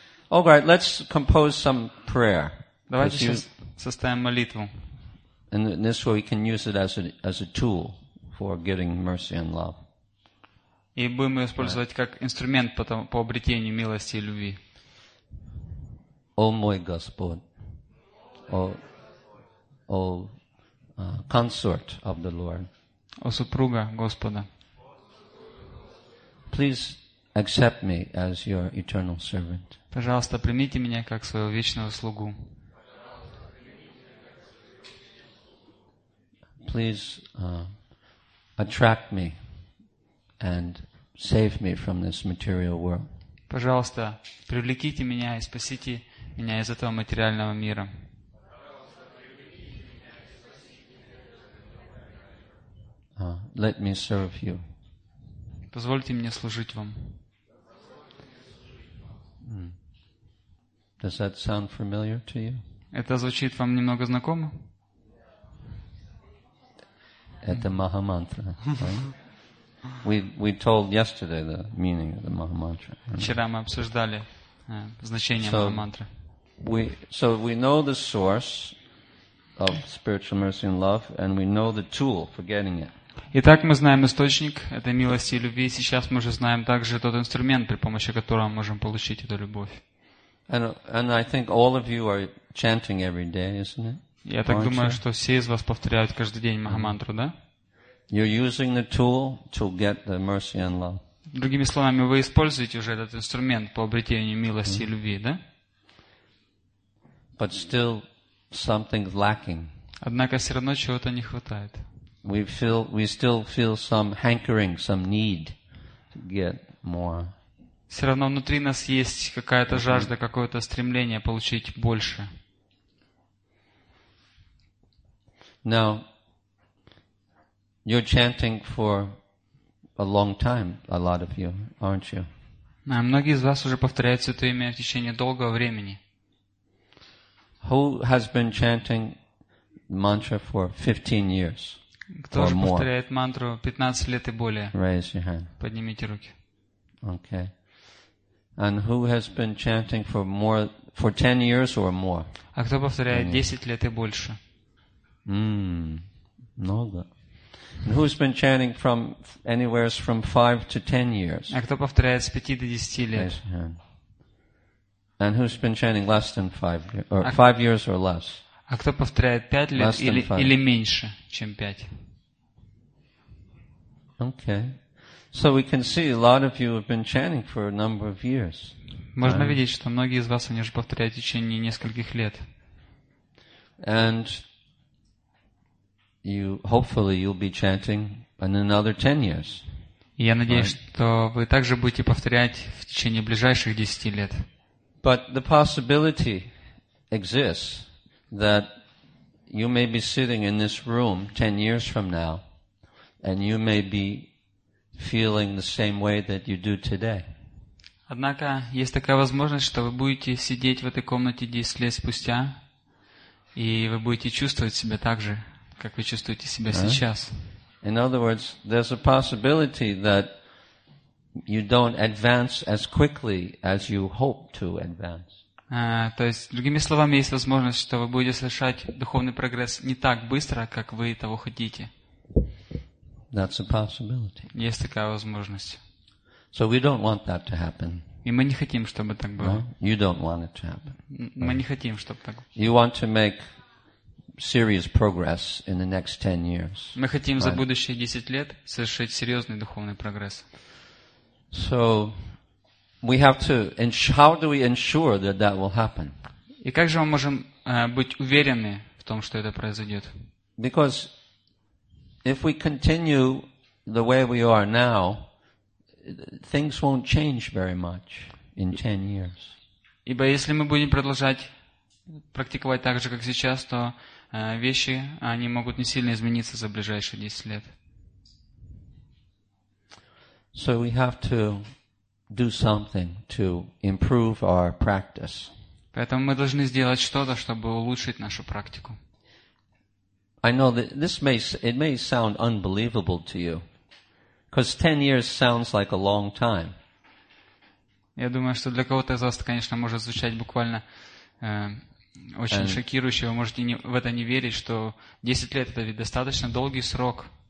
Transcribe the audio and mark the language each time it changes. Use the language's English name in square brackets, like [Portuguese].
[English] All right, let's compose some prayer. [Russian] Давайте сейчас составим молитву. [English] And this way we can use it as a tool for getting mercy and love. [Russian] И будем ее использовать как инструмент по обретению милости и любви. О мой Господь. [English] О consort of the Lord. [Russian] О супруга Господа. [English] Please accept me as your eternal servant. [Russian] Пожалуйста, примите меня как своего вечного слугу. [English] Please attract me and save me from this material world. [Russian] Пожалуйста, привлеките меня и спасите меня из этого материального мира. [English] Let me serve you. [Russian] Позвольте мне служить вам. [English] Does that sound familiar to you? [Russian] Это звучит вам немного знакомо? Это Махамантра. [English] We told yesterday the meaning of the Махамантра. [Russian] Вчера мы обсуждали значение Махамантры. [English] So we know the source of spiritual mercy and love, and we know the tool for getting it. [Russian] Итак, мы знаем источник этой милости и любви. Сейчас мы уже знаем также тот инструмент, при помощи которого мы можем получить эту любовь. [English] And I think all of you are chanting every day, isn't it? [Russian] Я так думаю, что все из вас повторяют каждый день Махамантру, да? [English] You're using the tool to get the mercy and love. [Russian] Другими словами, вы используете уже этот инструмент по обретению милости и любви, да? [English] But still something's lacking. [Russian] Однако все равно чего-то не хватает. [English] We still feel some hankering, some need to get more. [Russian] Все равно внутри нас есть какая-то жажда, какое-то стремление получить больше. [English] Now, you're chanting for a long time, a lot of you, aren't you? [Russian] Многие из вас уже повторяют святое имя в течение долгого времени. [English] Who has been chanting mantra for 15 years? [Russian] Кто же повторяет мантру 15 лет и более? [English] Raise your hand. [Russian] Поднимите руки. [English] Okay. And who has been chanting for 10 years or more? [Russian] А кто повторяет 10 лет и больше? Много. [English] And who's been chanting from anywhere from 5 to 10 years? [Russian] А кто повторяет с 5 до 10 лет? [English] Raise your hand. And who's been chanting less than 5 years or less? [Russian] А кто повторяет 5 лет или меньше, чем 5? [English] Okay. So we can see a lot of you have been chanting for a number of years. [Russian] Можно видеть, что многие из вас они уже повторяют в течение нескольких лет. [English] And you hopefully you'll be chanting in another 10 years. [Russian] Я надеюсь, что вы также будете повторять в течение ближайших 10 лет. [English] But the possibility exists that you may be sitting in this room 10 years from now and you may be feeling the same way that you do today. [Russian] Однако есть такая возможность, что вы будете сидеть в этой комнате 10 лет спустя и вы будете чувствовать себя так же, как вы чувствуете себя сейчас. [English] In other words, there's a possibility that you don't advance as quickly as you hope to advance. [Russian] То есть, другими словами, есть возможность, что вы будете совершать духовный прогресс не так быстро, как вы того хотите. [English] That's a possibility. [Russian] Есть такая возможность. [English] So we don't want that to happen. [Russian] И мы не хотим, чтобы так было. [English] No, you don't want it to happen. [Russian] Мы не хотим, чтобы так было. [English] You want to make serious progress in the next 10 years. [Russian] Мы хотим за будущие 10 лет совершить серьезный духовный прогресс. [English] So we have to. How do we ensure that that will happen? [Russian] И как же мы можем быть уверены в том, что это произойдет? [English] Because if we continue the way we are now, things won't change very much in 10 years. [Russian] Ибо если мы будем продолжать практиковать так же, как сейчас, то вещи они могут не сильно измениться за ближайшие 10 лет. [English] So we have to do something to improve our practice. [Russian] Поэтому мы должны сделать что-то, чтобы улучшить нашу практику. [English] I know that it may sound unbelievable to you, because 10 years sounds like a long time. [Russian] Я думаю, что для кого-то из вас, конечно, может звучать буквально очень шокирующе. Вы можете в это не верить, что 10 лет это ведь достаточно долгий срок.